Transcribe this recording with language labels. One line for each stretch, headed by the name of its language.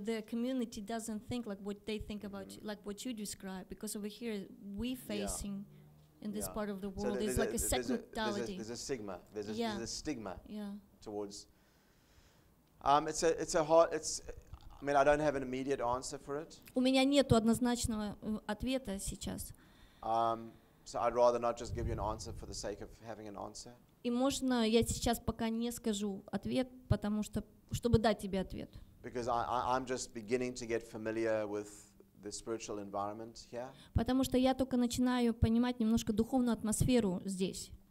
English: If the community doesn't think like what they think about, like what you describe, because over here we're facing in this part of the world. So there's like a sect mentality. There's a stigma. Yeah. Towards. I mean, I don't have an immediate answer for it.
Russian: У меня нету однозначного ответа сейчас.
English: So I'd rather not just give you an answer for the sake of having an answer.
Russian: И можно я сейчас пока не скажу ответ, потому что чтобы дать тебе ответ.
English: Because I'm just beginning to get familiar with the spiritual environment here.
Russian: Потому что я только начинаю понимать немножко духовную атмосферу здесь.